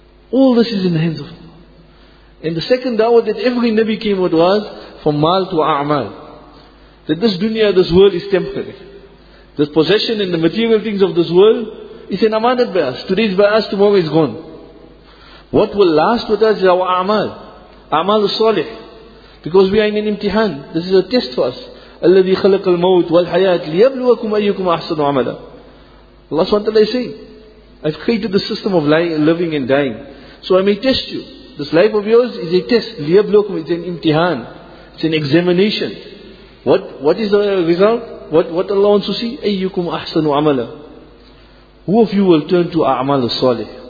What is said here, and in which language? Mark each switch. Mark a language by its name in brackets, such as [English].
[English] All this is in the hands of Allah. And the second dawah that every Nabi came with was from mal to a'mal. That this dunya, this world is temporary. This possession and the material things of this world is an amanat by us. Today is by us, tomorrow is gone. What will last with us is our a'mal. A'mal salih. Because we are in an imtihan. This is a test for us. [Arabic] الَّذِي خَلَقَ الْمَوْتِ وَالْحَيَاةِ لِيَبْلُوَكُمْ أَيُّكُمْ أَحْسَنُ عَمَلًا. [English] Allah SWT is saying, I've created the system of living and dying. So I may test you. This life of yours is a test. Liyabluwakum, it's an imtihan. It's an examination. What is the result? What Allah wants to see? Ayyukum ahsanu amala. Who of you will turn to a'mal salih?